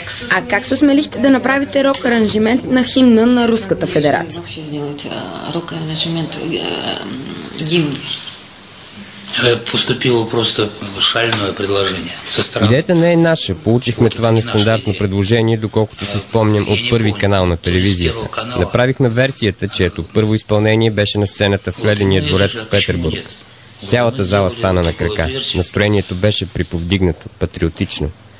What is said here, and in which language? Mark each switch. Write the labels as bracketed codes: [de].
[bg] А как се осмелихте да направите рок-аранжимент на химна на Руската федерация? [ru] Рок-аранжимент гимн. Поступило просто шальное предложение. [bg] Идеята не е наша. Получихме това нестандартно предложение, доколкото се спомням от първи канал на телевизията. Направихме версията, чието първо изпълнение беше на сцената в Ледения дворец в Петербург. Цялата зала стана на крака. Настроението беше приповдигнато, патриотично.